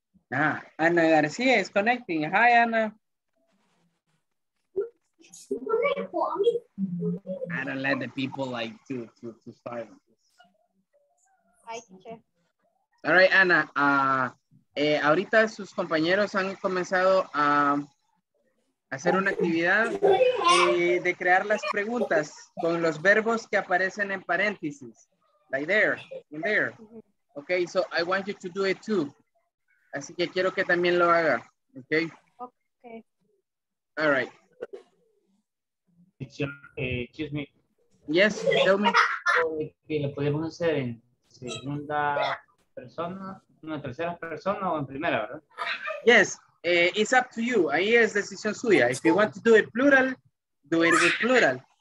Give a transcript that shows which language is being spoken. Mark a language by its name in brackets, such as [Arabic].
[English] Ah, Ana Garcia is connecting. Hi, Ana. I don't let the people like to start. Hi, teacher. All right, Ana. [Spanish] Ahorita sus compañeros han comenzado a hacer una actividad de crear las preguntas con los verbos que aparecen en paréntesis. [English] Like there, in there. Okay, so I want you to do it too. [Spanish] Así que quiero que también lo haga, okay? [English] Okay. All right. Teacher, excuse me. Yes, tell me. [Spanish] ¿Que lo podemos hacer en segunda persona, en tercera persona o en primera, verdad? [English] Yes, it's up to you. [Spanish] Ahí es decisión suya. [English] If you want to do it plural, do it with plural.